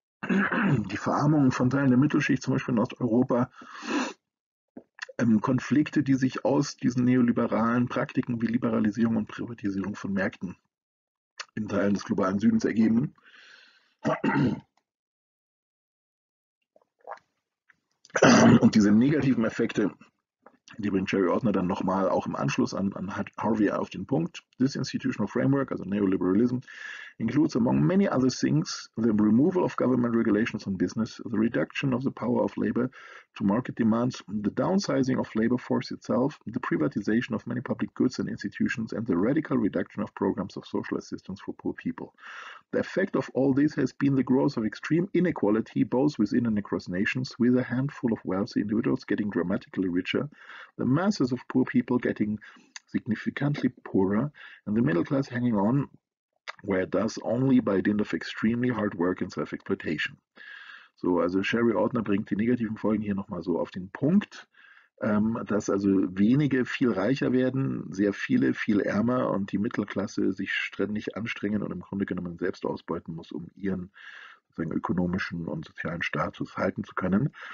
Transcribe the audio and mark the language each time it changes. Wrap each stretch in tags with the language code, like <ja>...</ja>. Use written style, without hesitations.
<de>Die Verarmung von Teilen der Mittelschicht, zum Beispiel in Osteuropa, Konflikte, die sich aus diesen neoliberalen Praktiken wie Liberalisierung und Privatisierung von Märkten in Teilen des globalen Südens ergeben. Und diese negativen Effekte, die bringt Sherry Ordner dann nochmal auch im Anschluss an Harvey auf den Punkt.</de> <en>This institutional framework, also Neoliberalism, includes among many other things the removal of government regulations on business, the reduction of the power of labor to market demands, the downsizing of labor force itself, the privatization of many public goods and institutions, and the radical reduction of programs of social assistance for poor people. The effect of all this has been the growth of extreme inequality, both within and across nations, with a handful of wealthy individuals getting dramatically richer, the masses of poor people getting significantly poorer, and the middle class hanging on, where thus only by dint of extremely hard work and self-exploitation.</en> <de>So, also Sherry Ordner bringt die negativen Folgen hier nochmal so auf den Punkt, dass also wenige viel reicher werden, sehr viele viel ärmer und die Mittelklasse sich ständig anstrengen und im Grunde genommen selbst ausbeuten muss, um ihren seinen ökonomischen und sozialen Status halten zu können.</de>